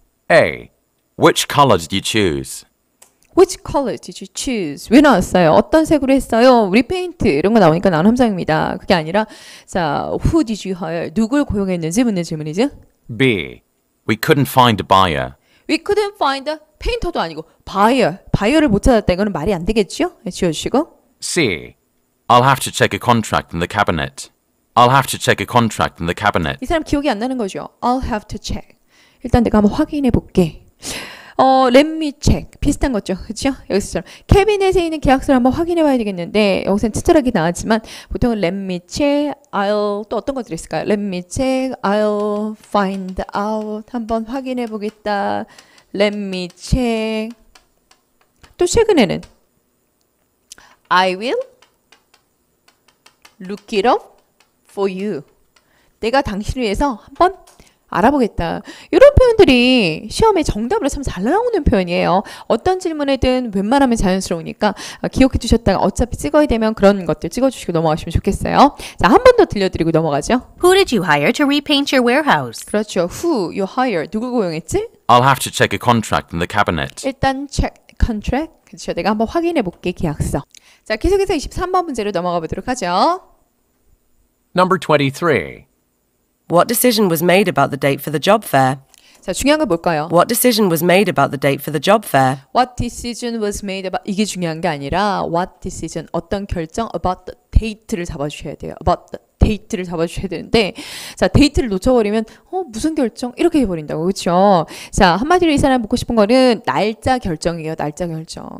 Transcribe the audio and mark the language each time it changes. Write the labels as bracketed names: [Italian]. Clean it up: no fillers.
[English] A. Which color did you choose? Which color did you choose? [Korean] 왜 나왔어요? 어떤 색으로 했어요? Repaint 이런 거 나오니까 나온 함정입니다. 그게 아니라 [English] 자, Who did you hire? [Korean] 누굴 고용했는지 묻는 질문이죠? [English] B. We couldn't find a buyer. We couldn't find a painter도 아니고 buyer. [Korean] Buyer를 못 찾았다. 이거는 말이 안 되겠죠? 지워주시고. [English] C. I'll have to check a contract in the cabinet. I'll have to check a contract in the cabinet. [Korean] 이 사람 기억이 안 나는 거죠. [English] I'll have to check. [Korean] 일단 내가 한번 확인해 볼게. [English] Let me check. [Korean] 비슷한 거죠. 그렇죠? 여기서처럼 캐비넷에 있는 계약서를 한번 확인해 봐야 되겠는데 여기서는 친절하게 나왔지만 보통은 [English] let me check, [Korean] I'll 또 어떤 것들이 있을까요? [English] Let me check, I'll find out. [Korean] 한번 확인해 보겠다. [English] Let me check. 또 최근에는 I will look it up for you. [Korean] 내가 당신을 위해서 한번 알아보겠다. 이런 표현들이 시험에 정답으로 참 잘 나오는 표현이에요. 어떤 질문이든 웬만하면 자연스러우니까 기억해 주셨다가 어차피 찍어야 되면 그런 것들 찍어주시고 넘어가시면 좋겠어요. 자, 한 번 더 들려드리고 넘어가죠. [English] Who did you hire to repaint your warehouse? [Korean] 그렇죠. [English] Who you hire. [Korean] 누구 고용했지? [English] I'll have to check a contract in the cabinet. [Korean] 일단 [English] check contract. [Korean] 그렇죠. 내가 한번 확인해 볼게, 계약서. 자, 계속해서 23번 문제로 넘어가 보도록 하죠. [English] Number 23. What decision was made about the date for the job fair? [Korean] 자, 중요한 걸 볼까요? [English] What decision was made about the date for the job fair? What decision was made about [Korean] 이게 중요한 게 아니라 [English] what decision 어떤 결정 about the date를 [Korean] 잡아 주셔야 돼요. [English] about the date [Korean] 를 잡아 주셔야 되는데 자, 데이트를 놓쳐 버리면 무슨 결정 이렇게 해 버린다고. 그렇죠? 자, 한마디로 이 사람 묻고 싶은 거는 날짜 결정이에요. 날짜 결정.